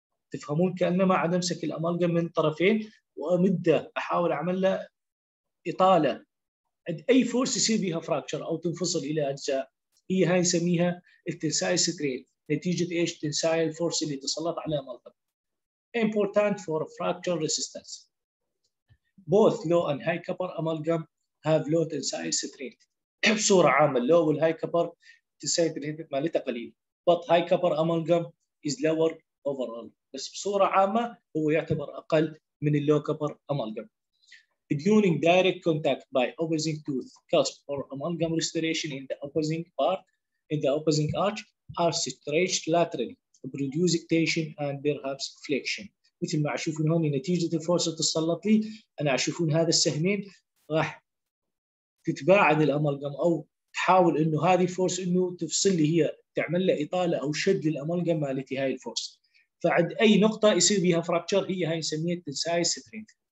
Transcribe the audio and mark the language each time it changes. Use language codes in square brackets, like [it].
[ar] تفهمون كأنما عاد أمسك الأمالجم من طرفين وأمده أحاول أعمل له إطالة، أي فورس يصير بها فراكشر أو تنفصل إلى أجزاء هي هاي نسميها التنسايل سترين، نتيجة إيش؟ تنسايل فورس اللي تسلط على الأمالجم. [en] Important for fracture resistance. Both low and high copper amalgam have low tensile strength. [ar] بصورة عامة low وال high copper tensile strength مالتها قليل. [en] But high copper amalgam is lower overall. [ar] بس بصورة عامة هو يعتبر أقل من low copper amalgam. [en] During direct contact by opposing tooth cusp or amalgam restoration in the opposing part, in the opposing arch, are stretched laterally to produce tension and perhaps flexion. [ar] مثل ما اشوفون هون نتيجه الفورس تسلط لي انا اشوفون هذا السهمين راح تتباعد الامالجم او تحاول انه هذه فورس انه تفصل لي هي تعمل له اطاله او شد للامالجم مالتي هاي الفورس. فعند اي نقطه يصير بها فراكتشر هي هاي نسميها تنسايل سترينث.